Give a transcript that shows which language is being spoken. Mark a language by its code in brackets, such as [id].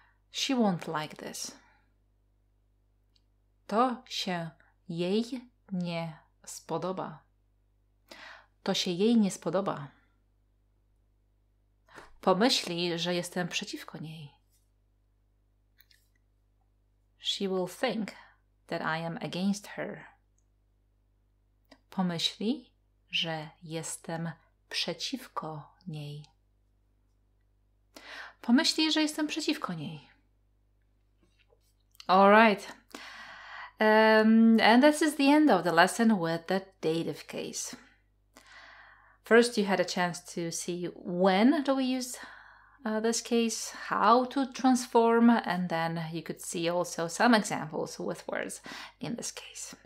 [en] She won't like this. [pl] To się jej nie spodoba. To się jej nie spodoba. Pomyśli, że jestem przeciwko niej. [en] She will think that I am against her. [pl] Pomyśli, że jestem przeciwko niej. Pomyśli, że jestem przeciwko niej. [en] All right. And this is the end of the lesson with the dative case. First, you had a chance to see when do we use this case, how to transform, and then you could see also some examples with words in this case.